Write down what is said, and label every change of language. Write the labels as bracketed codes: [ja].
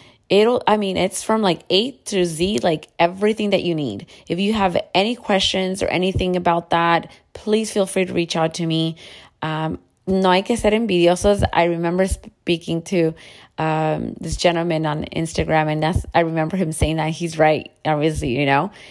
[en] It's from like A to Z, like everything that you need. If you have any questions or anything about that, please feel free to reach out to me. [es] No hay que ser envidiosos. [en] I remember speaking to this gentleman on Instagram, and I remember him saying that he's right, obviously, you know.